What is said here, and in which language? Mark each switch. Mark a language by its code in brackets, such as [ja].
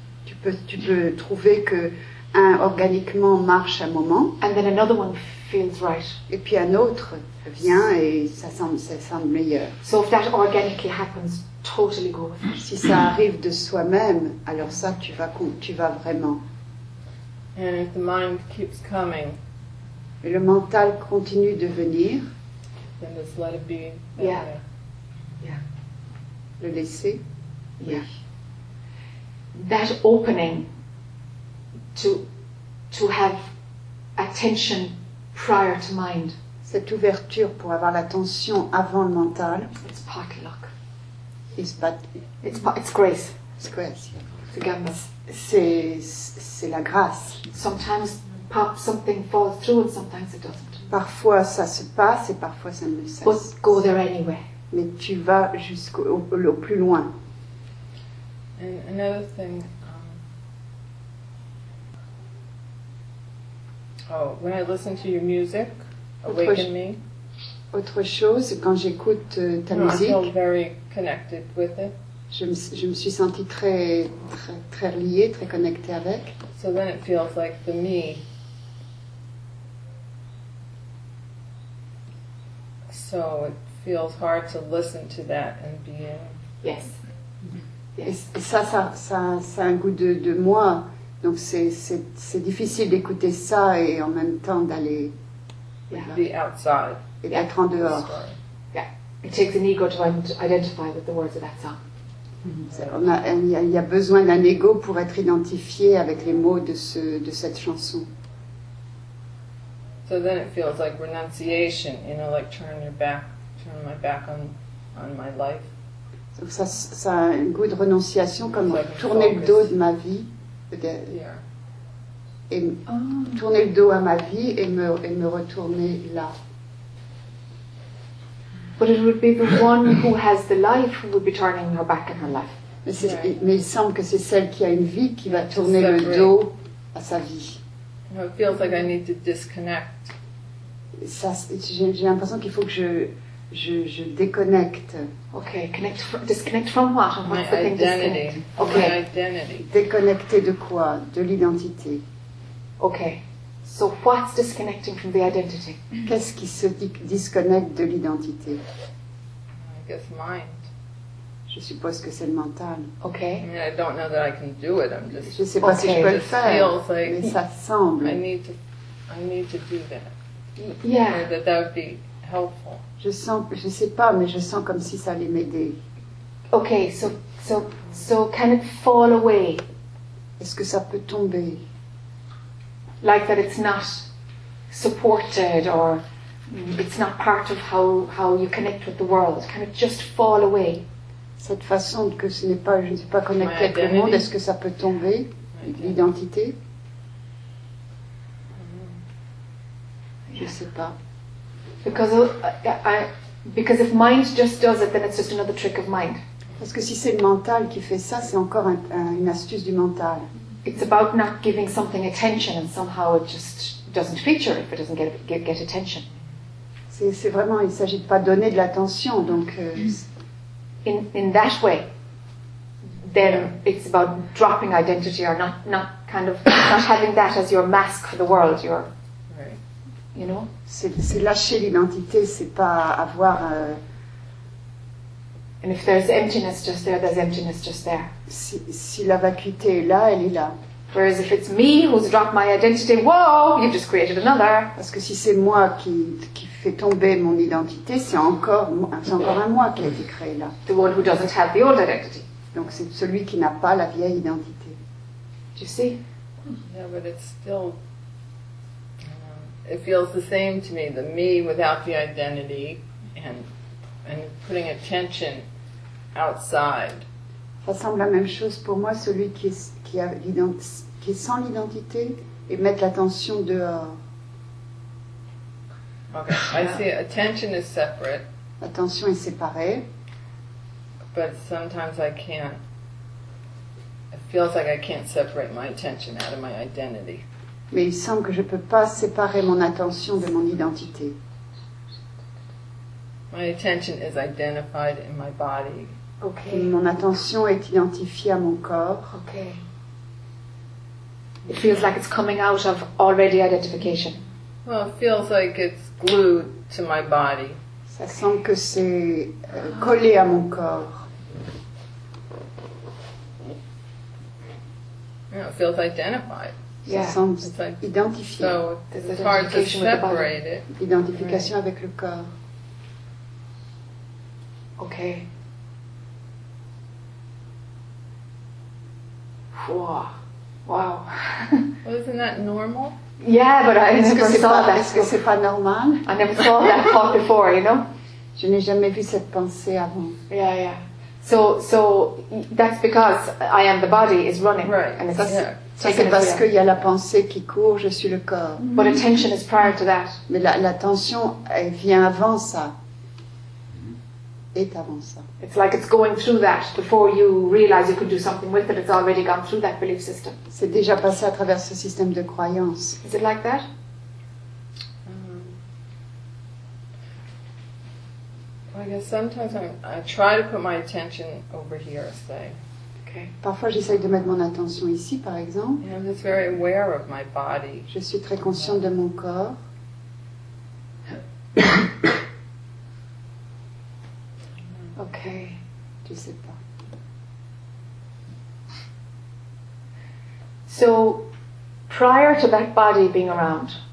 [fr] Tu peux trouver que un organiquement marche un moment. [en] And then another one feels right. [fr] Et puis un autre vient et ça semble meilleur. [en] So if that organically happens. Totally go with it. [fr] Si ça arrive de soi-même, alors ça, tu vas vraiment. [en] And if the mind keeps coming, [fr] et le mental continue de venir, [en] then just let it be. Yeah. [fr] Le laisser. [en] Yeah. [fr] Oui. [en] That opening to have attention prior to mind. [fr] Cette ouverture pour avoir l'attention avant le mental. [en] It's part luck. It's grace. It's grace. The gammas. [fr] C'est la grâce. [en] Sometimes something falls through and sometimes it doesn't. [fr] Parfois ça se passe et parfois ça ne se passe pas. [en] But go there anyway. [fr] Mais tu vas jusqu'au plus loin. [en] And another thing. When I listen to your music, awaken me. [fr] Autre chose, quand j'écoute ta musique, [en] I feel very connected with it. [fr] Je me suis sentie très, très, très liée, très connectée avec. [en] So then it feels like the me so it feels hard to listen to that and be in. Yes. [fr] Et ça a un goût de moi, donc c'est difficile d'écouter ça et en même temps d'aller [en] be outside. [fr] Et d'être en dehors. [en] Yeah. It takes an ego to identify with the words of that song. [fr] Il y a besoin d'un ego pour être identifié avec les mots de cette chanson. [en] So then it feels like renunciation, you know, like turn my back on my life. [fr] Donc ça a un goût de renonciation, comme [en] like [fr] tourner le dos de ma vie. [en] Yeah. [fr] Et tourner le dos à ma vie et me retourner là. [en] But it would be the one who has the life who would be turning her back in her life. [fr] Mais il semble que c'est celle qui a une vie qui va tourner le dos à sa vie. [en] It feels like I need to disconnect. [fr] J'ai l'impression qu'il faut que je déconnecte. [en] Okay, disconnect from what? My identity. Okay. My identity. [fr] Déconnecter de quoi? De l'identité. [en] Okay. So what's disconnecting from the identity? [fr] Qu'est-ce qui se disconnecte de l'identité? [en] I guess mind. [fr] Je suppose que c'est le mental. [en] Okay. I mean, I don't know that I can do it. I'm just. [fr] Je sais pas si je peux le faire. Mais ça semble. [en] I need to do that. Yeah. That would be helpful. [fr] Je sais pas, mais je sens comme si ça allait m'aider. [en] Okay. So can it fall away? [fr] Est-ce que ça peut tomber? [en] Like that it's not supported or it's not part of how you connect with the world. Can it just fall away? [fr] Cette façon que ce n'est pas, je ne suis pas connectée avec le monde, est-ce que ça peut tomber, l'identité? Je ne sais pas. [en] Because Because if mind just does it, then it's just another trick of mind. [fr] Parce que si c'est le mental qui fait ça, c'est encore une astuce du mental. [en] It's about not giving something attention, and somehow it just doesn't feature if it doesn't get attention. [fr] C'est vraiment, il s'agit de pas donner de l'attention, donc. [en] In that way, then it's about dropping identity or not kind of not having that as your mask for the world. Your, you know. [fr] C'est lâcher l'identité, c'est pas avoir. [en] And if there's emptiness just there, there's emptiness just there. [fr] Si la vacuité est là, elle est là. [en] Whereas if it's me who's dropped my identity, whoa, you've just created another. [fr] Parce que si c'est moi qui fait tomber mon identité, c'est encore un moi qui a été créé là. [en] The one who doesn't have the old identity. [fr] Donc c'est celui qui n'a pas la vieille identité. [en] Do you see? Yeah, but it's still. It feels the same to me, the me without the identity and putting attention outside. [fr] Ça semble la même chose pour moi, celui qui est sans l'identité et mettre l'attention dehors. [en] Okay, I see attention is separate. [fr] L'attention est séparée. [en] But sometimes I can't. It feels like I can't separate my attention out of my identity. [fr] Mais il semble que je ne peux pas séparer mon attention de mon identité. [en] My attention is identified in my body. Okay. [fr] Mon attention est identifiée à mon corps. [en] Okay. It feels like it's coming out of already identification. Well, it feels like it's glued to my body. [fr] Ça semble que c'est collé à mon corps. [en] Yeah, it feels identified. [fr] Ça semble identifié. [en] So it's hard to separate it. [fr] Identification avec le corps. [en] Okay. Wow. Well, isn't that normal? Yeah, but I never saw that. [fr] Est-ce que c'est pas normal? [en] I never saw that thought before, you know? [fr] Je n'ai jamais vu cette pensée avant. [en] Yeah, yeah. So that's because I am the body is running. Right. And [fr] ça, c'est parce qu'il y a la pensée qui court, je suis le corps. [en] But attention is prior to that. [fr] Mais l'attention, elle vient avant ça. Est avant ça. [en] It's like it's going through that before you realize you could do something with it. It's already gone through that belief system. [fr] C'est déjà passé à travers ce système de croyance. [en] Is it like that? I guess sometimes I try to put my attention over here, say. Okay. [fr] Parfois, j'essaye de mettre mon attention ici, par exemple. [en] Yeah, I'm just very aware of my body. [fr] Je suis très consciente de mon corps. [en] Okay. [fr] Je sais pas. [en] So, prior to that body being around,